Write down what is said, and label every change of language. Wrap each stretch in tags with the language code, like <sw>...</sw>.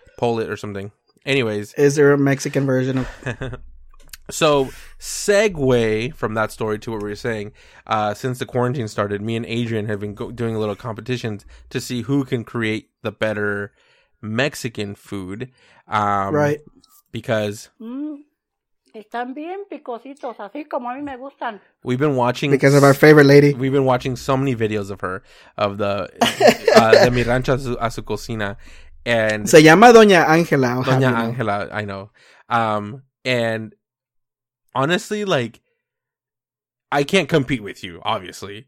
<en>Poll it or something. Anyways. Is there a Mexican version of... So, segue from that story to what we were saying. Since the quarantine started, me and Adrian have been doing a little competitions to see who can create the better Mexican food. Right. Because...</en> <es>Están bien picositos, así como a mí me gustan.</es> <en>We've been watching... Because of our favorite lady. We've been watching so many videos of her, of the... the Mi Rancho a su Cocina. And...</en> <es>Se llama Doña Ángela.</es> <en>Doña Ángela, I know. And honestly, like, I can't compete with you, obviously.</en>